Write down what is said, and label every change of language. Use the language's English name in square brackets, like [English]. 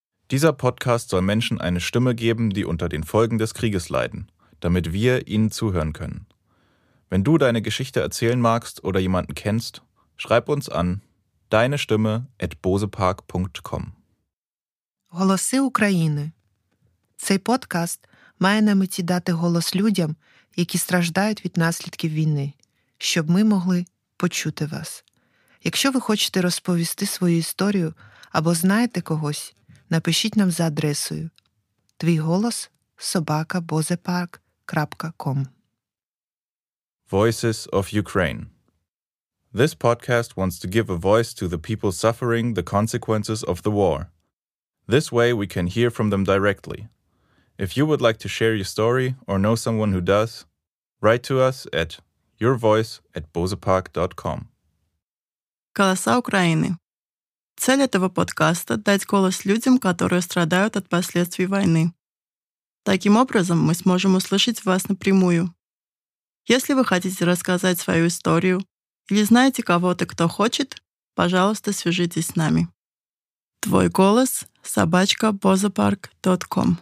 [German] Dieser Podcast soll Menschen eine Stimme geben, die unter den Folgen des Krieges leiden, damit wir ihnen zuhören können. Wenn du deine Geschichte erzählen magst oder jemanden kennst, schreib uns an deinestimme@bosepark.com. [Ukrainian] Голоси України. Цей подкаст має на меті дати голос людям, які страждають від наслідків війни, щоб ми могли почути вас. Якщо ви хочете розповісти свою історію або знаєте когось, напишіть нам за адресою tvigolos@bosepark.com. [English] Voices of Ukraine. This podcast wants to give a voice to the people suffering the consequences of the war. This way we can hear from them directly. If you would like to share your story or know someone who does, write to us at yourvoice@bosepark.com. [Russian] Голоса України. Ціль этого подкаста – дать голос людям, которые страдают от последствий войны. Таким образом, мы сможем услышать вас напрямую. Если вы хотите рассказать свою историю или знаете кого-то, кто хочет, пожалуйста, свяжитесь с нами. Твой голос @bosepark.com